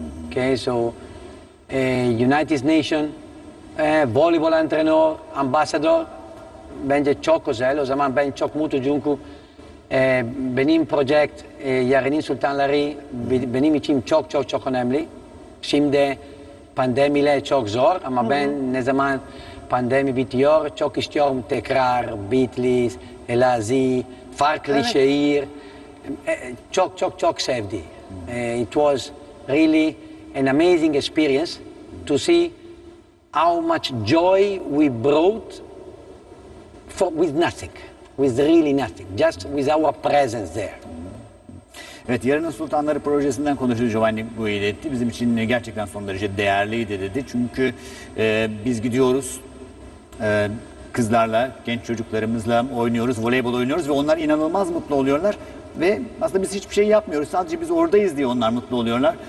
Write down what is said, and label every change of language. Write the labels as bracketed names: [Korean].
[Turkish] Okay, so United Nations voleybol antrenör ambassador bence çok özel. O zaman ben çok mutlu çünkü benim project yarının sultanları benim için çok önemli. Şimdi pandemiyle çok zor ama ben ne zaman pandemi bitiyor çok istiyorum tekrar Bitlis, Elazi, farklı şehir. Çok sevdi. [English] It was really an amazing experience to see how much joy we brought with nothing, with really nothing, just with our presence there. [Turkish] Evet, yarının sultanları projesinden konuştuğu Giovanni Guidetti bizim için gerçekten son derece değerliydi dedi. Çünkü biz gidiyoruz, kızlarla, genç çocuklarımızla oynuyoruz, voleybol oynuyoruz ve onlar inanılmaz mutlu oluyorlar. Ve aslında biz hiçbir şey yapmıyoruz. Sadece biz oradayız diye onlar mutlu oluyorlar.